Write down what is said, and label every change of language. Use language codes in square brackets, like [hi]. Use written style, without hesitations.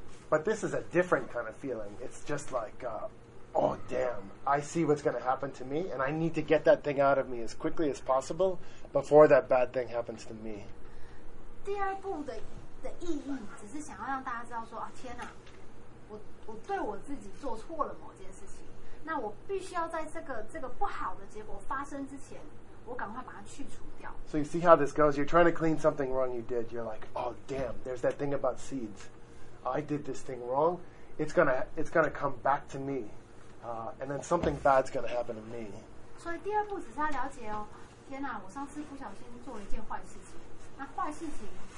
[en] But this is a different kind of feeling. It's just like, oh, damn, I see what's going to happen to me, and I need to get that thing out of me as quickly as possible before that bad thing happens to me. [zh] 第二步的意义只是想要让大家知道说，天哪，我对我自己做错了某件事情，那我必须要在这个不好的结果发生之前，我赶快把它去除掉。 [en] So you see how this goes? You're trying to clean something wrong you did. You're like, oh damn, there's that thing about seeds. I did this thing wrong. It's gonna come back to me, and then something bad's gonna happen to me. [zh] 所以第二步只是要了解哦，天哪，我上次不小心做了一件坏事情，那坏事情。